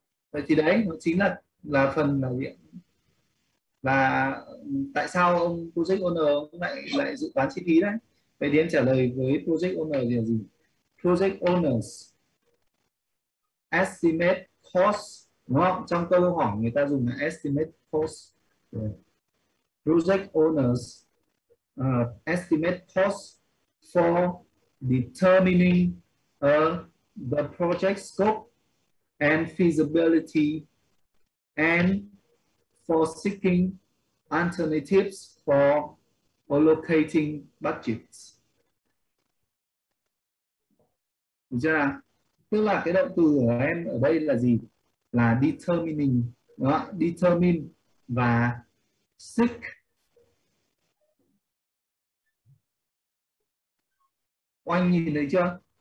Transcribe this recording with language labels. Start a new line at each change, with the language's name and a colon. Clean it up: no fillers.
Vietnamese: Vậy thì đấy nó chính là phần là tại sao ông project owner lại dự toán chi phí đấy. Vậy thì em trả lời với project owner là gì?
English: Project owners estimate cost,
Vietnamese: đúng không? Trong câu hỏi người ta dùng là estimate cost.
English: Project owners estimate cost for determining the project scope and feasibility and for seeking alternatives for allocating budgets.
Vietnamese: Được chưa nào? Tức là cái động từ của em ở đây là gì? Là determining, đúng không? Determine và seek anh nhìn thấy chưa?